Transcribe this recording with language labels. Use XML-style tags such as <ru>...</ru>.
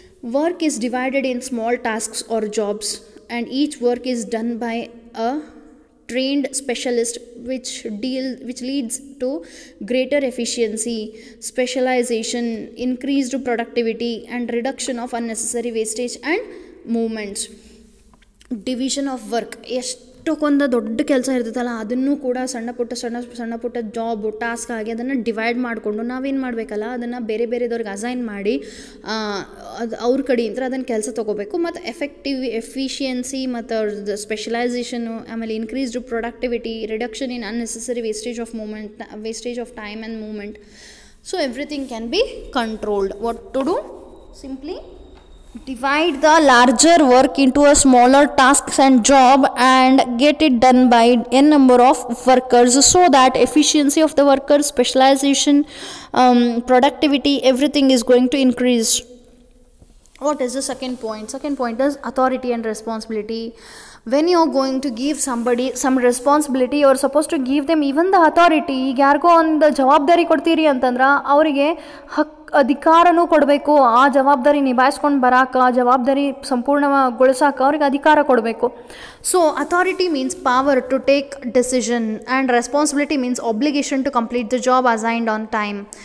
<en>Work is divided in small tasks or jobs, and each work is done by a trained specialist which leads to greater efficiency, specialization, increased productivity and reduction of unnecessary wastage and movements. Division of work.</en> <kn>ಎಷ್ಟೊಕ್ಕೊಂದು ದೊಡ್ಡ ಕೆಲಸ ಇರ್ತೈತಲ್ಲ ಅದನ್ನು ಕೂಡ ಸಣ್ಣ ಪುಟ್ಟ job task ಆಗಿ ಅದನ್ನು divide ಮಾಡಿಕೊಂಡು ನಾವೇನು ಮಾಡಬೇಕಲ್ಲ ಅದನ್ನು ಬೇರೆ ಬೇರೆದವ್ರಿಗೆ ಅಸೈನ್ ಮಾಡಿ ಅದು ಅವ್ರ ಕಡೆಯಿಂದ ಅದನ್ನು ಕೆಲಸ ತೊಗೋಬೇಕು ಮತ್ತು ಎಫಿಷಿಯನ್ಸಿ ಮತ್ತು ಅವ್ರ ಸ್ಪೆಷಲೈಸೇಷನು ಆಮೇಲೆ</kn> <en>Increased productivity reduction in unnecessary wastage of time and movement. So everything can be controlled. What to do? Simply divide the larger work into a smaller tasks and job and get it done by n number of workers so that efficiency of the workers, specialization, productivity, everything is going to increase. What is the second point? Second point is authority and responsibility. When you're going to give somebody some responsibility, you're supposed to give them even the authority.</en> <kn>ಯಾರಿಗೋ ಒಂದು ಜವಾಬ್ದಾರಿ ಕೊಡ್ತೀರಿ ಅಂತಂದ್ರೆ ಅವರಿಗೆ ಅಧಿಕಾರನೂ ಕೊಡಬೇಕು. ಆ ಜವಾಬ್ದಾರಿ ನಿಭಾಯಿಸ್ಕೊಂಡು ಬರಾಕ, ಆ ಜವಾಬ್ದಾರಿ ಸಂಪೂರ್ಣಗೊಳಿಸಾಕ ಅವ್ರಿಗೆ ಅಧಿಕಾರ ಕೊಡಬೇಕು.</kn> <en>So authority means power to take decision and responsibility means obligation to complete the job assigned on time.</en>